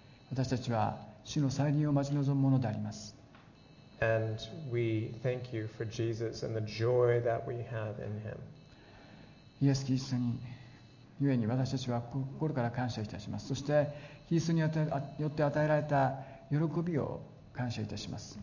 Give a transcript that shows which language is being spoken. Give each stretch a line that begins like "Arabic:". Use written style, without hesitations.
Japanese: 私たちは主の再臨を待ち望むものであります。
English: And we thank you for Jesus and the joy that we have in him.
Japanese: イエス・キリストにゆえに私たちは心から感謝いたします。そしてキリストによって与えられた喜びを感謝いたします。